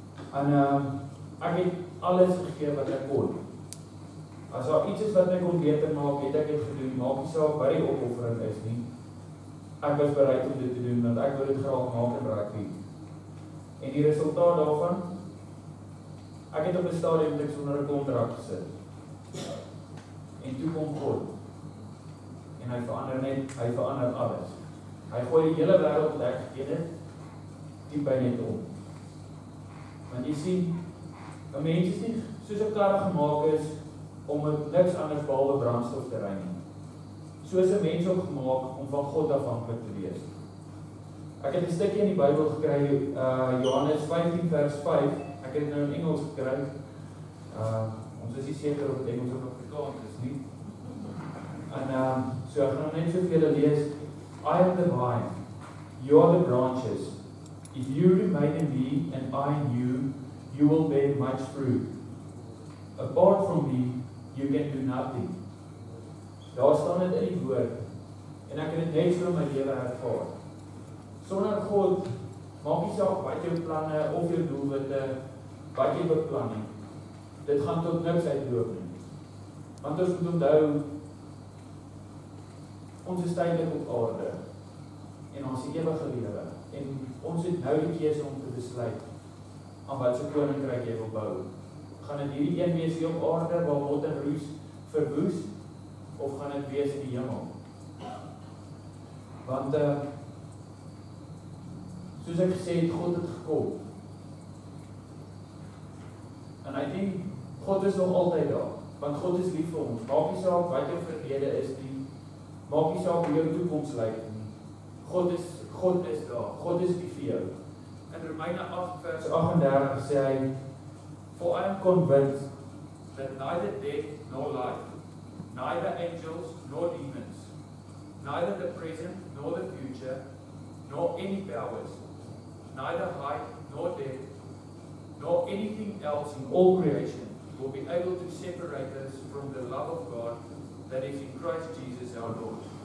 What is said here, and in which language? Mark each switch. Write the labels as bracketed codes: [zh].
[af] En ek het alles gegee wat ek kon. As daar iets is wat my kon beter maak, het ek dit gedoen. Maak nie saak wat die opoffering is nie. Ek was bereid om dit te doen, want ek wil dit graag maak in rugby. En die resultaat daarvan, ek het op 'n stadium net sonder 'n kontrak gesit. En toe kom God. En hy verander alles. Hy gooi die hele wêreld wat ek geken het, diep by net om. Want jy sien, 'n mens is nie soos 'n kar gemaak is om met niks anders behalwe brandstof te ry nie. Soos 'n mens ook gemaak om van God afhanklik te wees. Ek het 'n stukkie in die Bybel gekry, Johannes 15 vers 5. Ek het nou in Engels gekry. Ons is nie seker of dit Engels of Afrikaans is nie. En so ek gaan net soveel lees. [en] I am the vine, you are the branches. If you remain in me and I in you, you will bear much fruit. Apart from me, you can do nothing. [af] Daar staan dit in die woord. En ek het dit net so in my lewe ervaar. Sonder God, maak nie saak wat jou planne of jou doelwitte, wat jy beplan nie. Dit gaan tot niks uitloop nie. Want ons moet onthou, ons is tydelik op aarde en ons het ewige lewe en ons het nou die keuse om te besluit aan watse koninkryk jy wil bou. Gaan dit hierdie een wees hier op aarde waar rot en roes verwoes of gaan dit wees in die hemel? Want soos ek gesê het, God het gekom. En hy sê God is nog altyd daar, want God is lief vir ons. Maak nie saak wat jou verlede is nie. Maak nie saak hoe jou toekoms lyk nie. God is daar. God is die vir. In Romeine 8 vers 38 sê hy, [en] For I am convinced that neither death nor life, neither angels nor demons, neither the present nor the future, nor any powers, neither height nor depth, nor anything else in all creation will be able to separate us from the love of God that is in Christ Jesus our Lord.